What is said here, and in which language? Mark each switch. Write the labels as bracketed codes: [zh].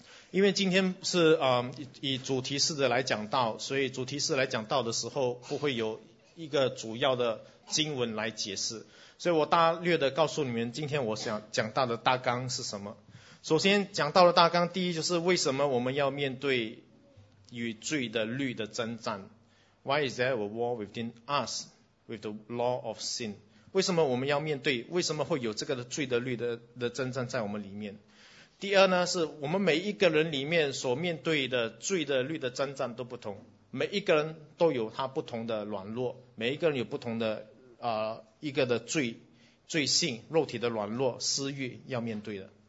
[zh] 因为今天是以主题式的来讲道，所以主题式来讲道的时候不会有一个主要的经文来解释，所以我大略的告诉你们今天我想讲到的大纲是什么。首先讲到的大纲，第一就是为什么我们要面对与罪的律的征战。 [en] Why is there a war within us with the law of sin? [zh] 为什么我们要面对，为什么会有这个罪的律 的征战在我们里面。第二呢，是我们每一个人里面所面对的罪的律的征战都不同，每一个人都有他不同的软弱，每一个人有不同的一个的罪性，肉体的软弱，私欲要面对的。